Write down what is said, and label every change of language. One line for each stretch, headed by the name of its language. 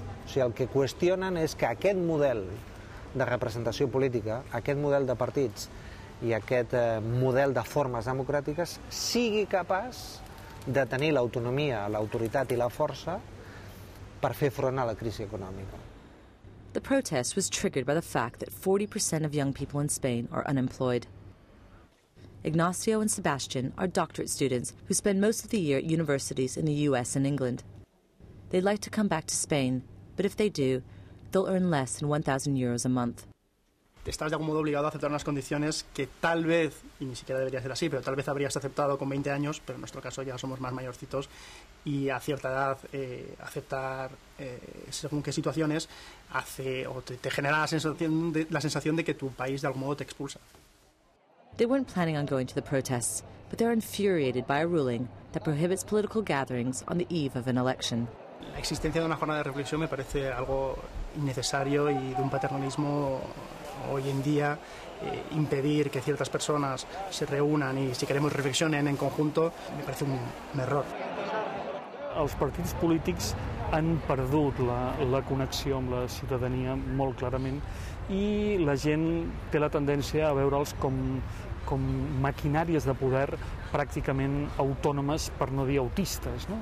Catalan: O sigui, el que qüestionen és que aquest model de representació política, aquest model de partits i aquest model de formes democràtiques sigui capaç de tenir l'autonomia, l'autoritat i la força per fer front a la crisi econòmica.
English: The protest was triggered by the fact that 40% of young people in Spain are unemployed. Ignacio and Sebastian are doctorate students who spend most of the year at universities in the US and England. They'd like to come back to Spain, but if they do, they'll earn less than 1,000 euros a month.
Spanish: Estás de algún modo obligado a aceptar unas condiciones que tal vez, y ni siquiera debería ser así, pero tal vez habrías aceptado con 20 años, pero en nuestro caso ya somos más mayorcitos, y a cierta edad aceptar según qué situaciones hace o te genera la sensación de que tu país de algún modo te expulsa.
English: They weren't planning on going to the protests, but they're infuriated by a ruling that prohibits political gatherings on the eve of an election.
Spanish: La existencia de una jornada de reflexión me parece algo innecesario y de un paternalismo hoy en día impedir que ciertas personas se reúnan y si queremos reflexionen en conjunto me parece un error.
Catalan: Els partits polítics han perdut la connexió amb la ciutadania molt clarament i la gent té la tendència a veure'ls com maquinàries de poder pràcticament autònomes, per no dir autistes, no?